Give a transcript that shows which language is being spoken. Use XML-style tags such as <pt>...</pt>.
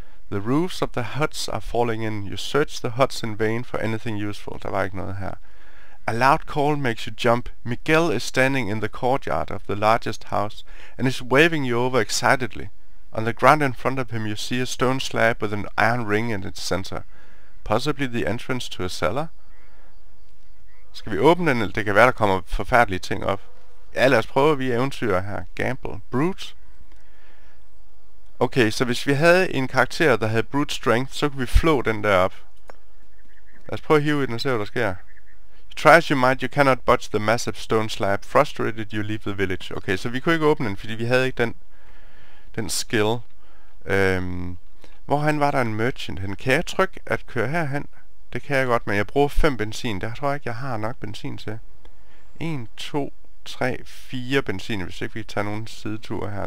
<en>The roofs of the huts are falling in. You search the huts in vain for anything useful.</en> <da>Der var ikke noget her.</da> <en>A loud call makes you jump. Miguel is standing in the courtyard of the largest house and is waving you over excitedly. On the ground in front of him you see a stone slab with an iron ring in its center. Possibly the entrance to a cellar?</en> <da>Skal vi åbne den, eller det kan være, der kommer forfærdelige ting op? Ja, lad os prøve, vi eventyrer her. Gamble. Brute. Okay, så hvis vi havde en karakter, der havde brute strength, så kunne vi flå den der op. Lad os prøve at hive i den og se, hvad der sker.</da> <en>Try as you might, you cannot budge the massive stone slab. Frustrated, you leave the village.</en> <da>Okay, så vi kunne ikke åbne den, fordi vi havde ikke den skill. Hvorhen var der en merchant hen? Kan jeg trykke at køre herhen? Det kan jeg godt, men jeg bruger 5 benzin. Der tror jeg ikke, jeg har nok benzin til. 1, 2, 3, 4 benzin, hvis ikke vi kan tage nogle sideture her.</da>